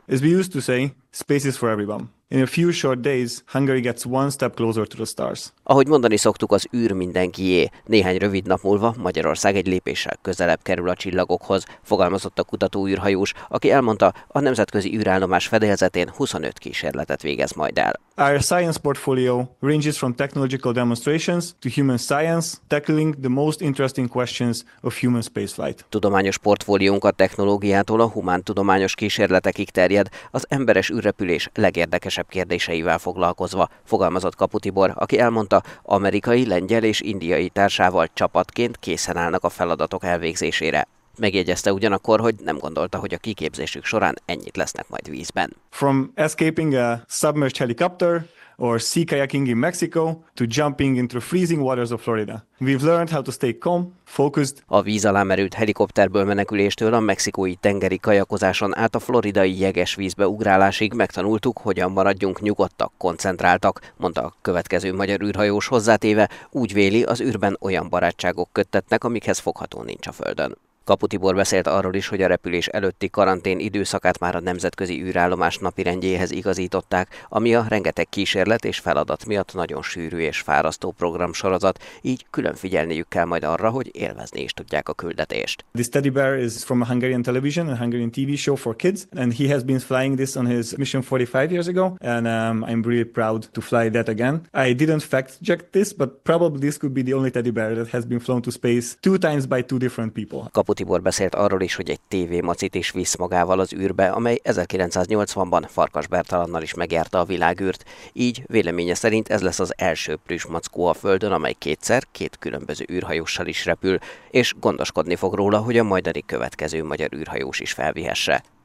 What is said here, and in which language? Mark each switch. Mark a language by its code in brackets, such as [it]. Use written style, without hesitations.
[en] As we used to say, space is for everyone. In a few short days, Hungary gets one step closer to the stars. [hu] Ahogy mondani szoktuk, az űr mindenkié. Néhány rövid nap múlva Magyarország egy lépéssel közelebb kerül a csillagokhoz, fogalmazott a kutató űrhajós, aki elmondta, a nemzetközi űrállomás fedélzetén 25 kísérletet végez majd el. [en] Our science portfolio ranges from technological demonstrations to human science, tackling the most interesting questions of human spaceflight. [hu] Tudományos portfóliónk a technológiától a humán tudományos kísérletekig terjed, az emberes űrrepülés legérdekesebb kérdéseivel foglalkozva, fogalmazott Kapu Tibor, aki elmondta, amerikai, lengyel és indiai társával csapatként készen állnak a feladatok elvégzésére. Megjegyezte ugyanakkor, hogy nem gondolta, hogy a kiképzésük során ennyit lesznek majd vízben. [en] From escaping a submerged helicopter or sea kayaking in Mexico to jumping into freezing waters of Florida. We've learned how to stay calm, focused. [hu] A víz alá merült helikopterből meneküléstől a mexikói tengeri kajakozáson át a floridai jeges vízbe ugrálásig megtanultuk, hogyan maradjunk nyugodtak, koncentráltak, mondta a következő magyar űrhajós hozzátéve, úgy véli, az űrben olyan barátságok köttetnek, amikhez fogható nincs a Földön. Kapu Tibor beszélt arról is, hogy a repülés előtti karantén időszakát már a nemzetközi űrállomás napirendjéhez igazították, ami a rengeteg kísérlet és feladat miatt nagyon sűrű és fárasztó programsorozat, így külön figyelniük kell majd arra, hogy élvezni is tudják a küldetést. [en] This teddy bear is from a Hungarian television, a Hungarian TV show for kids, and he has been flying this on his mission 45 years ago, and I'm really proud to fly that again. I didn't fact check this, but probably this could be the only teddy bear that has been flown to space two times by two different people. [hu] Kapu Tibor beszélt arról is, hogy egy tévémacit is visz magával az űrbe, amely 1980-ban Farkas Bertalannal is megjárta a világűrt. Így véleménye szerint ez lesz az első plüssmackó a Földön, amely kétszer két különböző űrhajóssal is repül, és gondoskodni fog róla, hogy a majdani következő magyar űrhajós is felvihesse.